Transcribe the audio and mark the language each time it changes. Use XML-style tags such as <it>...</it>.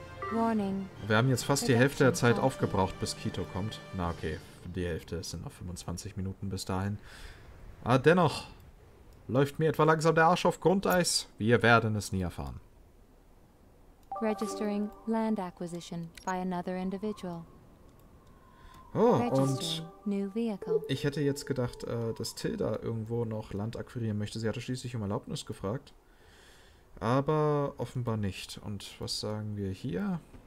<de>Wir haben jetzt fast die Hälfte der Zeit aufgebraucht, bis Quito kommt. Na okay, die Hälfte sind noch 25 Minuten bis dahin. Aber dennoch läuft mir etwa langsam der Arsch auf Grundeis. Wir werden es nie erfahren.</de> <en>Registering land acquisition by another individual.</en> <de>Oh, und ich hätte jetzt gedacht, dass Tilda irgendwo noch Land akquirieren möchte. Sie hatte schließlich um Erlaubnis gefragt. Aber offenbar nicht. Und was sagen wir hier?</de>